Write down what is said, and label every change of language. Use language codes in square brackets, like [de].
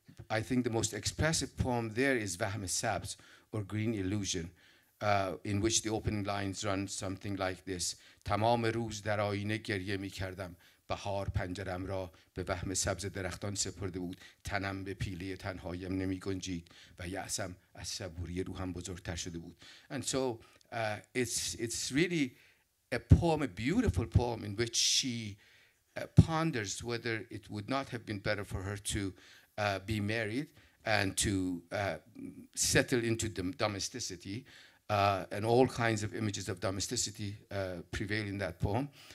[en] I think the most expressive poem there is Vahme Sabz, or Green Illusion, in which the opening lines run something like this. [fa] تمام روز در آینه گریه می کردم. بهار پنجرم را به وهم سبز درختان سپرده بود. تنم به پیله تنهایم نمی گنجید و یأسم از صبوری روحم بزرگتر شده بود. [en] And so it's really a poem, a beautiful poem in which she ponders whether it would not have been better for her to be married and to settle into domesticity. And all kinds of images of domesticity prevail in that poem.